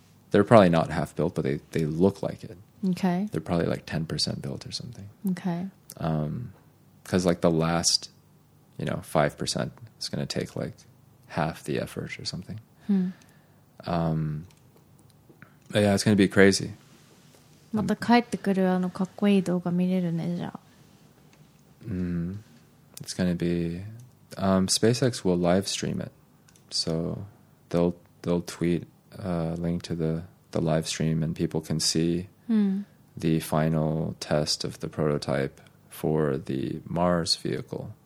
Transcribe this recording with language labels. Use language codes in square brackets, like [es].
[en] They're probably not half built, but they look like it. Okay. They're probably like 10% built or something. Okay. Because like the last, you know, 5% is going to take like half the effort or something. Hmm. But yeah, it's going to be crazy. [ja] また帰ってくるあのかっこいい動画見れるねじゃあ。 [en] It's going to be. SpaceX will live stream it, so they'll tweet a link to the live stream, and people can see the final test of the prototype for the Mars vehicle.